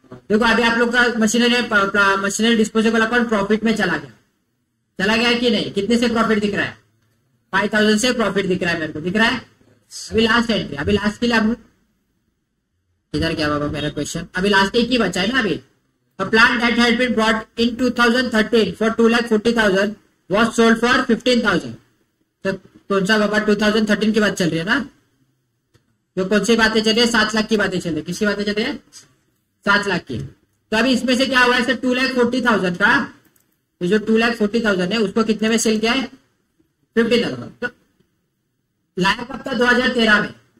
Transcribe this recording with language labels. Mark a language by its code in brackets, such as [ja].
[hi] देखो अभी आप लोग का मशीनरी डिस्पोजेबल अकाउंट प्रॉफिट में चला गया कि नहीं? कितने से प्रॉफिट दिख रहा है? 5,000 से प्रॉफिट दिख रहा है मेरे को, दिख रहा है? अभी लास्ट एंट्री, अभी लास्ट के लिए हम इधर क्या बाबा मेरा क्वेश्चन, अभी लास्ट एक ही बचा है ना। [en] अभी A plant that had been brought in 2013 for 2,40,000 was sold for 15,000. [hi] तो कौन सा बाबा 2013 की बात चल रही है ना? जो कौन सी बातें चल रही है? 7,00,000 की बातें चल रही है। किसी बातें चल रही है? 7,00,000 की। तो अभी इसमें से क्या हुआ है? 2,40,000 का जो 2,40,000 है उसको कितने में सेल किया है? 15,000। तो लाया कब था? 2013 में।